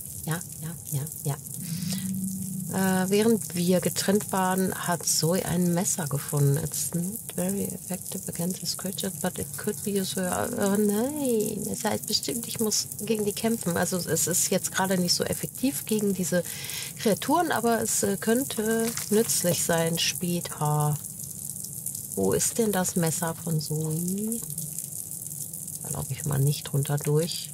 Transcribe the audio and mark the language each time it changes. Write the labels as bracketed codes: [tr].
[de] Ja. Während wir getrennt waren, hat Zoe ein Messer gefunden. [en] It's not very effective against this creature, but it could be useful. [de] Oh nein, es heißt bestimmt, ich muss gegen die kämpfen. Also es ist jetzt gerade nicht so effektiv gegen diese Kreaturen, aber es könnte nützlich sein später. Wo ist denn das Messer von Zoe? Da laufe ich mal nicht runter durch.